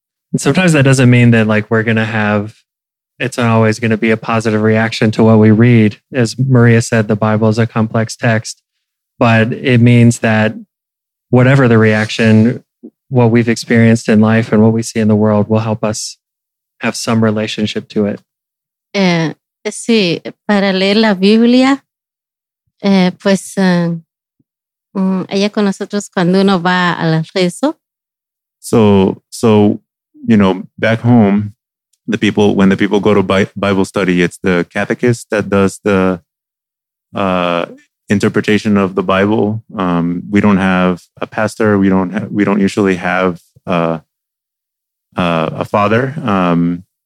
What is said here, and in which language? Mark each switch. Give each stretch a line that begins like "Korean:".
English: And sometimes that doesn't mean that like we're going to have, it's not always going to be a positive reaction to what we read. As Maria said, the Bible is a complex text, but it means that whatever the reaction, what we've experienced in life and what we see in the world will help us have some relationship to it.
Spanish: Sí, para leer la Biblia, pues allá con nosotros cuando uno va al rezo.
English: So, you know, back home, the people, when the people go to Bible study, it's the catechist that does the interpretation of the Bible. We don't have a pastor. We don't usually have a father.